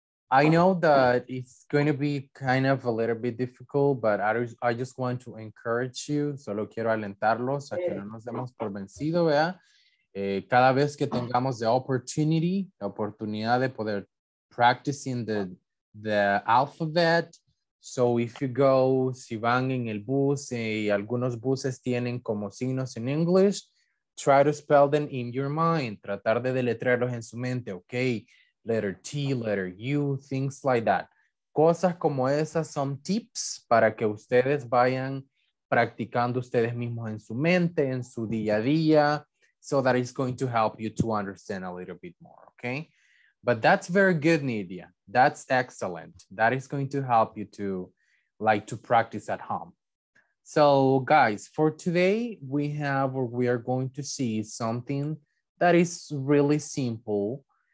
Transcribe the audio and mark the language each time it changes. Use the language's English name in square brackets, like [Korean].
[English] I know that it's going to be kind of a little bit difficult, but I just want to encourage you. [Spanish] Solo quiero alentarlos a que no nos demos por vencido, ¿verdad? Cada vez que tengamos [English] the opportunity, [Spanish] la oportunidad de poder [English] practicing the alphabet. So if you go, [Spanish] si van en el bus, y algunos buses tienen como signos [English] in English, try to spell them in your mind. [Spanish] Tratar de deletrearlos en su mente, okay? [English] Letter T, letter U, things like that. [Spanish] Cosas como esas son tips para que ustedes vayan practicando ustedes mismos en su mente, en su día a día. [English] So that is going to help you to understand a little bit more, okay? But that's very good, Nidia. That's excellent. That is going to help you to like to practice at home. So guys, for today, we have or we are going to see something that is really simple.